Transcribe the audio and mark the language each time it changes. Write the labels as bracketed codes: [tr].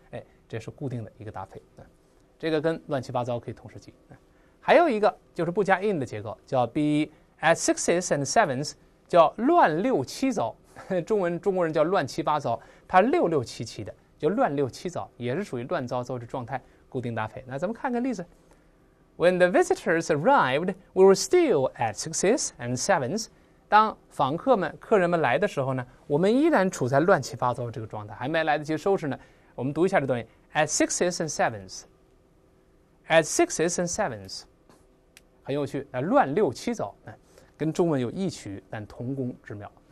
[zh] 哎，这是固定的一个搭配。这个跟乱七八糟可以同时记。还有一个就是不加 in 的结构，叫 [en] be at sixes and sevens， [zh] 叫乱六七糟。中国人叫乱七八糟，它六六七七的，就乱六七糟，也是属于乱糟糟的状态，固定搭配。那咱们看个例子 [en] ：When the visitors arrived, we were still at sixes and sevens。 [zh] 当访客们、客人们来的时候呢，我们依然处在乱七八糟这个状态，还没来得及收拾呢。我们读一下这段 ： [en] at sixes and sevens。 [zh] At sixes and sevens， 很有趣，乱六七糟，跟中文有异曲但同工之妙。